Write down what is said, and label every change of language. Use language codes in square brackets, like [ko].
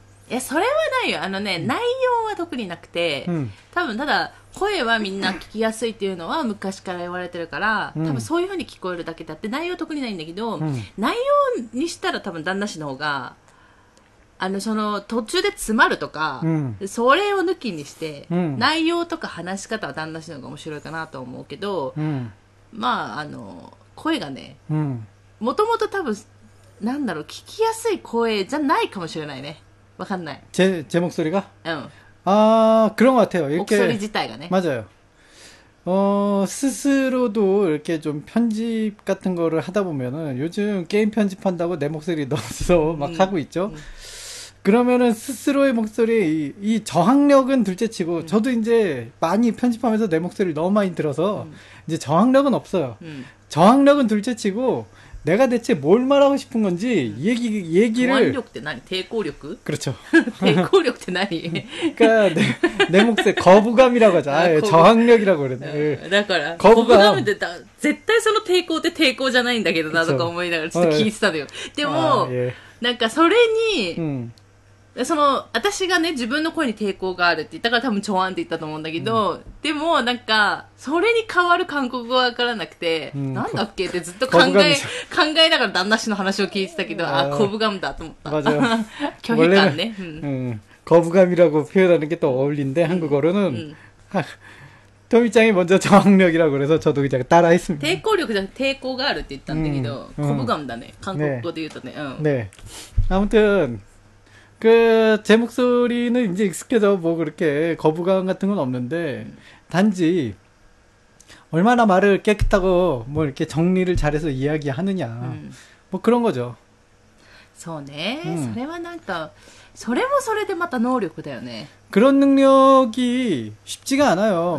[ja] 예それはないよあのね内容は特になくて多分ただ声はみんな聞きやすいっていうのは昔から言われてるから、多分そういうふうに聞こえるだけだって内容は特にないんだけど、内容にしたら多分旦那氏の方が、その途中で詰まるとか、それを抜きにして、内容とか話し方は旦那氏の方が面白いかなと思うけど、まあ、声がね、もともと多分、なんだろう、聞きやすい声じゃないかもしれないね。わかんない。 [ko] 제목소리가아그런것같아요이렇게 [ja] 목소리自体がね [ko] 맞아요스스로도이렇게좀편집같은거를하다보면은요즘게임편집한다고내목소리넣어서막하고있죠그러면은스스로의목소리이저항력은둘째치고저도이제많이편집하면서내목소리를너무많이들어서이제저항력은없어요저항력은둘째치고내가대체뭘말하고싶은건지얘기를 [ja] 저항력って何抵抗력 [ko] 그렇죠 [ja] 抵抗力って何 [ko] 그러니까 내목소리거부감이라고하자 저항력이라고그랬는데 [ja] だから거부감은絶対その抵抗って抵抗じゃないんだけどなとか思いながらちょっと聞いてたのよ でもなんかそれに その私がね自分の声に抵抗があるって言ったから多分ちょわんって言ったと思うんだけどでもなんかそれに変わる韓国語が分からなくてなんだっけってずっと考えながら旦那氏の話を聞いてたけどあ、コブガムだと思った拒否感ね、 [ko] コブガムだと표현하는게또어울린데韓国語로는トミちゃんが먼저저항력이라고그래서저도이제따라했습니다 [ja] 抵抗力じゃなくて抵抗があるって言ったんだけどコブガムだね韓国語で言うとね [ko] 네아무튼그제목소리는이제익숙해져뭐그렇게거부감같은건없는데단지얼마나말을깨끗하고뭐이렇게정리를잘해서이야기하느냐뭐그런거죠 [ja] そうね그래와なんかそれもそれでまた能力だよね [ko] 그런능력이쉽지가않아요